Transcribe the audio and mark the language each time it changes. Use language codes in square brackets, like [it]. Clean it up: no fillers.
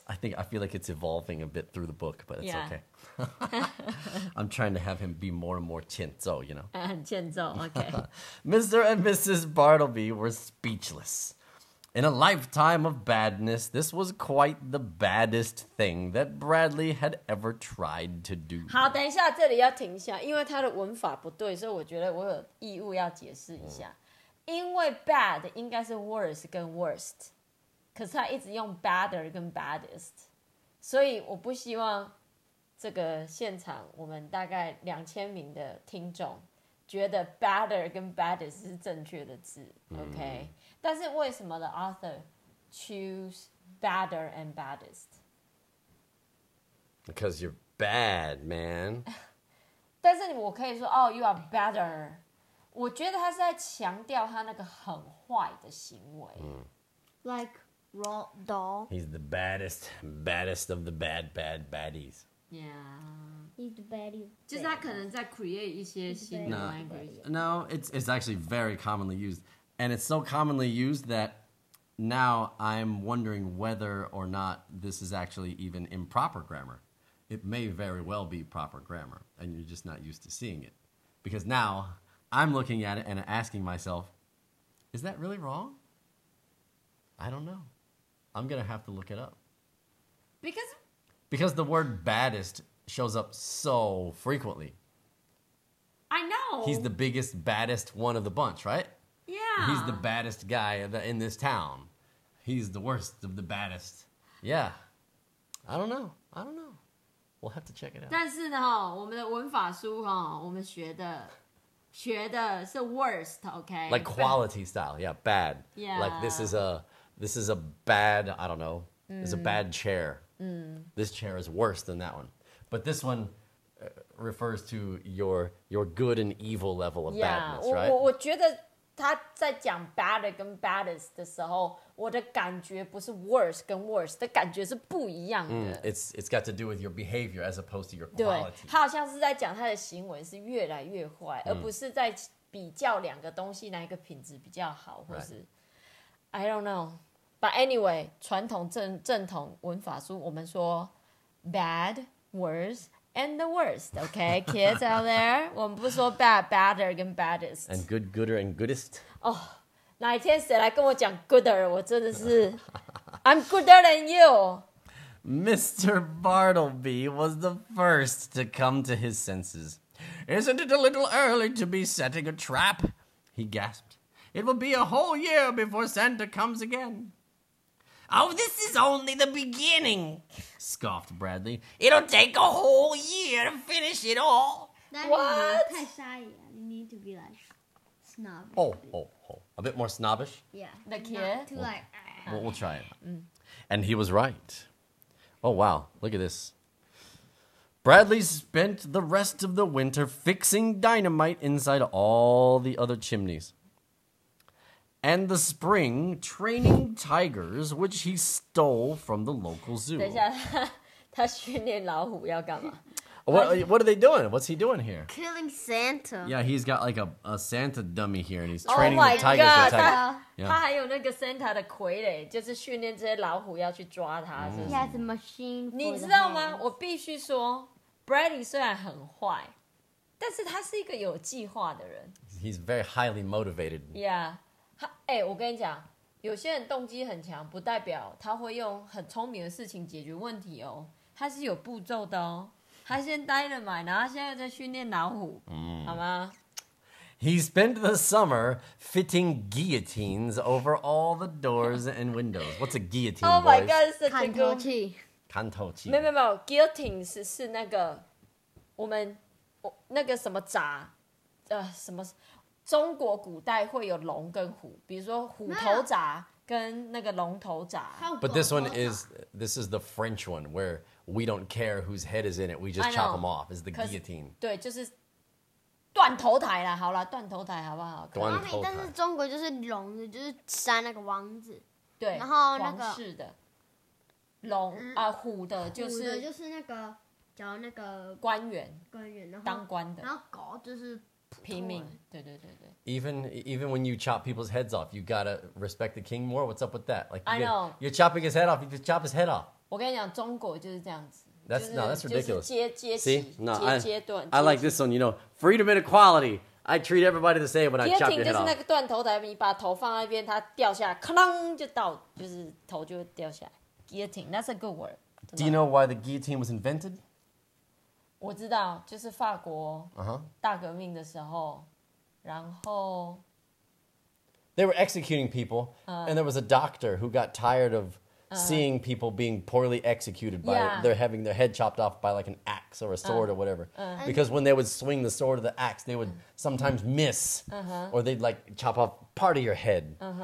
[en] I feel like it's evolving a bit through the book, but it's okay. I'm trying to have him be more and more tienzo, you know. Tienzo, okay. Mr. and Mrs. Bartleby were speechless. In a lifetime of badness, this was quite the baddest thing that Bradley had ever tried to do. [zh] 好，等一下，这里要停一下，因为他的文法不对，所以我觉得我有义务要解释一下。因为 bad 应该是 worst 跟 worst，可是他一直用 badder 跟 baddest， 所以我不希望这个现场我们大概2000名的听众觉得 badder 跟 baddest 是正确的字、OK？但是为什么 [en] the author choose badder and baddest？ Because you're bad, man. [zh] 但是我可以说、 [en] oh, you are badder。 [zh] 我觉得他是在强调他那个很坏的行为、 [en] Like raw doll. He's the baddest, baddest of the bad, bad baddies. Yeah. He's the baddie. [zh] 就是他可能在 create 一些新的 language. [en] No, it's actually very commonly used. And it's so commonly used that now I'm wondering whether or not this is actually even improper grammar. It may very well be proper grammar. And you're just not used to seeing it. Because now... I'm looking at it and asking myself, is that really wrong? I don't know. I'm going to have to look it up. Because the word baddest shows up so frequently. I know. He's the biggest, baddest one of the bunch, right? Yeah. He's the baddest guy in this town. He's the worst of the baddest. Yeah. I don't know. We'll have to check it out. [zh] 但是呢，我们的文法书哈，我们学的是 worst, okay? [en] Like quality style, yeah, bad. Yeah. Like this is a bad, I don't know, it's a bad chair. This chair is worse than that one. But this one refers to your good and evil level of badness, right? [zh] Yeah, 我觉得他在讲 bad 跟 baddest 的时候，我的感觉不是 worse 跟 worse 的感觉是不一样的。 [en] It's got to do with your behavior as opposed to your quality. [zh] 对，他好像是在讲他的行为是越来越坏，而不是在比较两个东西哪一个品质比较好，或是、 [en] right. I don't know. But anyway, [zh] 传统正统文法书我们说 bad, worse. [en] And the worst, okay, kids out there? [zh] 我们不说 [en] bad, badder, and baddest. And good, gooder, and goodest? [zh] Oh, 哪一天谁来跟我讲 gooder, 我真的是 [en] I'm gooder than you. Mr. Bartleby was the first to come to his senses. Isn't it a little early to be setting a trap? He gasped. It will be a whole year before Santa comes again. Oh, this is only the beginning. Scoffed Bradley. It'll take a whole year to finish it all. What? That's too shy. You need to be like snobbish. Oh. A bit more snobbish? Yeah. The kid? We'll try it. And he was right. Oh, wow. Look at this. Bradley spent the rest of the winter fixing dynamite inside all the other chimneys. And the spring training tigers, which he stole from the local zoo. [zh] 等一下，他训练老虎要干嘛？ [en] What are they doing? What's he doing here? Killing Santa. Yeah, he's got like a Santa dummy here, and he's training the tigers. Oh my god! Yeah. [zh] 他还有那个 Santa 的傀儡，就是训练这些老虎要去抓他。 [en] He has a machine. [zh] 你知道吗？我必须说 ，Bradley 虽然很坏，但是他是一个有计划的人。 [en] He's very highly motivated. Yeah. [zh] 欸、我跟你讲，有些人动机很强，不代表他会用很聪明的事情解决问题哦。他是有步骤的哦。他先dynamite，然后现在在训练老虎，好吗 [en] ？He spent the summer fitting guillotines over all the doors and windows. What's a guillotine? Oh my god, it's a [zh] 砍头器。砍头器。没有 ，guillotines 是那个我们那个什么铡，什么。中国古代会有龙跟虎，比如说虎头铡跟那个龙头铡。 [en] But this is the French one where we don't care whose head is in it, we just chop them off. Is the guillotine? [zh] 对，就是断头台啦。好啦，断头台好不好？断头台。但是中国就是龙，就是杀那个王子。对，然后那个王室的龙啊、虎的，就是那个叫那个官员，然后当官的，然后狗就是。平民，对。 [en] Even when you chop people's heads off, you gotta respect the king more. What's up with that? Like, I know you're chopping his head off. You just chop his head off. [zh] 我跟你讲，中国就是这样子。 [en] That's、 [zh] 就是、 [en] no, that's ridiculous. [zh] 就是阶级， [en] See? No, [zh] 阶段。 [en] I like this one. You know, freedom and equality. I treat everybody the same when I chop your head off. [zh] 就是那个断头台，你把头放在一边，它掉下来，哐就倒，就是头就掉下来。 [en] Guillotine, that's a good word. Do you know why the guillotine was invented? [zh] 我知道，就是法国大革命的时候， 然后 [en] They were executing people, and there was a doctor who got tired of seeing people being poorly executed by they're having their head chopped off by like an axe or a sword or whatever. Because when they would swing the sword or the axe, they would sometimes miss, or they'd like chop off part of your head.